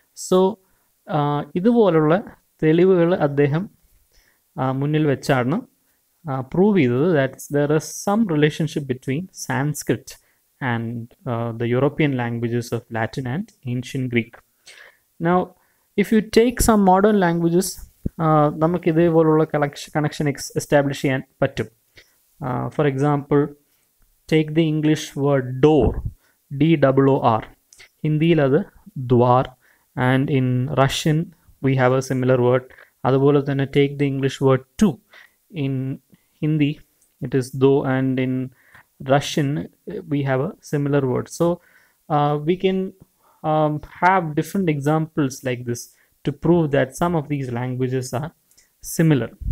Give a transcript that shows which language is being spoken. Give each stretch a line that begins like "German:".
Malayalam: So ഇതുപോലുള്ള തെളിവുകൾ അദ്ദേഹം മുന്നിൽ വെച്ചാണ് പ്രൂവ് ചെയ്തത്
English: That there is some relationship between Sanskrit and the European languages of Latin and ancient Greek. Now if you take some modern languages,
Malayalam: നമുക്ക് ഇതേപോലുള്ള കണക്ഷൻ എസ്റ്റാബ്ലിഷ് ചെയ്യാൻ പറ്റും.
English: For example take the English word door, DOOR.
Malayalam: ഹിന്ദിയിൽ അത് Duar.
English: And in Russian, we have a similar word,
Malayalam: അതുപോലെ തന്നെ
English: take the English word two in Hindi it is ദോ and in Russian we have a similar word so we can have different examples like this to prove that some of these languages are similar